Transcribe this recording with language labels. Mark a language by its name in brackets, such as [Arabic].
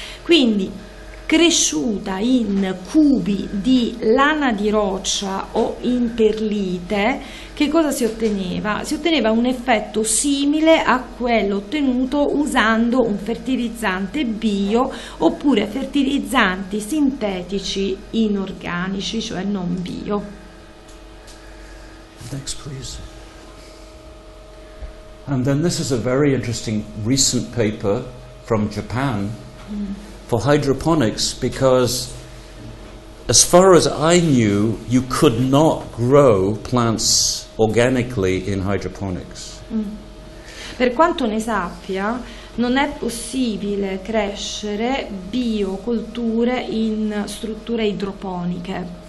[Italian] Quindi, cresciuta in cubi di lana di roccia o in perlite, che cosa si otteneva? Si otteneva un effetto simile a quello ottenuto usando un fertilizzante bio oppure fertilizzanti sintetici inorganici, cioè non bio. [English] Next, please. And then this is a very interesting recent paper from Japan. For hydroponics, because as far as I knew, you could not grow plants organically in hydroponics. [Italian] Per quanto ne sappia, non è possibile crescere bioculture in strutture idroponiche.